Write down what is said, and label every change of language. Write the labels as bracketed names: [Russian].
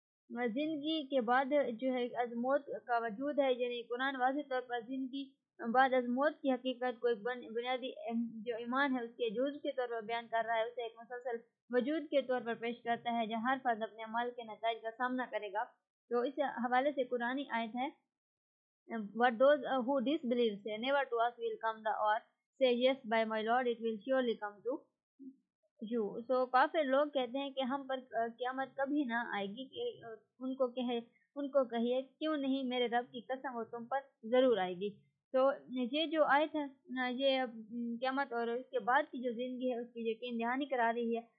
[Urdu] زندگی کے بعد جو ہے از موت کا وجود ہے, یعنی قرآن واضح طور پر زندگی بعد از موت کی حقیقت کو ایک بنیادی جو ایمان ہے اس کے جزء کے طور پر بیان کر رہا ہے, اسے ایک مسلسل وجود کے طور پر پیش کرتا ہے جہاں ہر فرد اپنے عمل کے نتائج کا سامنا کرے گا. تو اس حوالے سے قرآنی آیت ہے, [English] what those who disbelieve say never to us will come the hour, say yes by my lord it will surely come to you. [Urdu] So کافر لوگ کہتے ہیں کہ ہم پر قیامت کبھی نہ آئے گی, ان کو کہیے کیوں نہیں میرے رب کی قسم وہ تم پر ضرور آئے گی. تو یہ جو آیت ہے یہ قیامت اور اس کے بعد کی جو زندگی ہے اس کی یقین دہانی کرا رہی ہے.